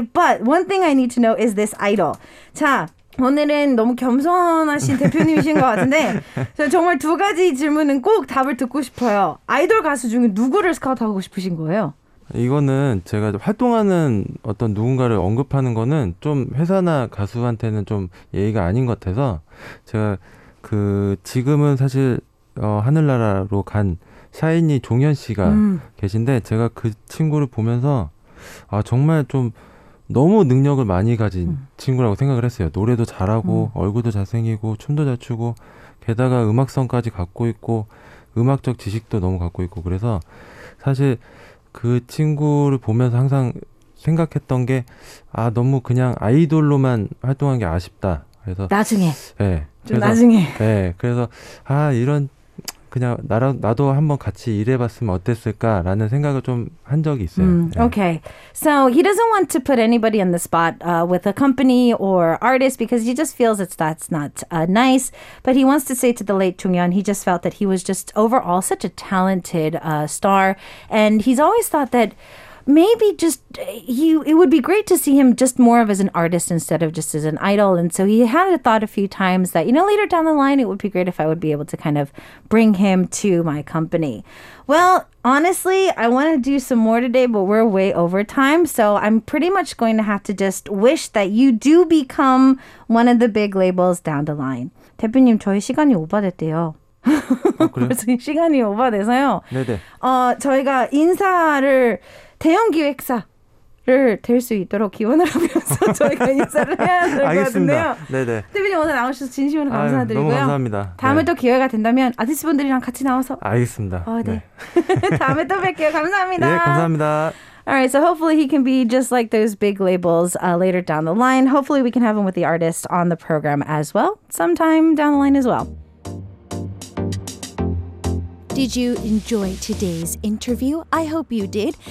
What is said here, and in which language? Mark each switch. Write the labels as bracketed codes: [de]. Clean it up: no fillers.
[en] But one thing I need to know is this idol. [ko] 자, 오늘은 너무 겸손하신 대표님이신 것 같은데 정말 두 가지 질문은 꼭 답을 듣고 싶어요. 아이돌 가수 중에 누구를 스카우트하고 싶으신 거예요? 이거는 제가 활동하는 어떤 누군가를 언급하는 거는 좀 회사나 가수한테는 좀 예의가 아닌 것 같아서 제가 그 지금은 사실 하늘나라로 간 샤이니 종현 씨가 계신데 제가 그 친구를 보면서 아 정말 좀 너무 능력을 많이 가진 친구라고 생각을 했어요. 노래도 잘하고 얼굴도 잘생기고 춤도 잘 추고 게다가 음악성까지 갖고 있고 음악적 지식도 너무 갖고 있고 그래서 사실 그 친구를 보면서 항상 생각했던 게 아 너무 그냥 아이돌로만 활동한 게 아쉽다. 그래서 나중에 네, 좀 나중에. 네, 그래서 아 이런 그냥 나도 한번 같이 일해봤으면 어땠을까라는 생각을 좀 한 적이 있어요. [en] Okay, so he doesn't want to put anybody on the spot with a company or artist because he just feels that's not nice. But he wants to say to the late Chung Yeon, he just felt that he was just overall such a talented star, and he's always thought that. Maybe just it would be great to see him just more of as an artist instead of just as an idol. And so he had a thought a few times that, you know, later down the line, it would be great if I would be able to kind of bring him to my company. Well, honestly, I want to do some more today, but we're way over time. So I'm pretty much going to have to just wish that you do become one of the big labels down the line. [ko] 대표님, 저희 시간이 오버됐대요. 그래요? 시간이 오버돼서요. 네네. 저희가 인사를 대형 기획사를 될 수 있도록 기원을 하면서 저희가 인사를 해야 될 것 같은데요. 네네. 대표님 오늘 나오셔서 진심으로 감사드리고요. 너무 감사합니다. 다음에 네. 또 기회가 된다면 아티스트 분들이랑 같이 나와서. 알겠습니다. 네. 다음에 또 뵐게요. 감사합니다. 예, 감사합니다. [en] All right, so hopefully he can be just like those big labels later down the line. Hopefully we can have him with the artist on the program as well, sometime down the line as well. Did you enjoy today's interview? I hope you did.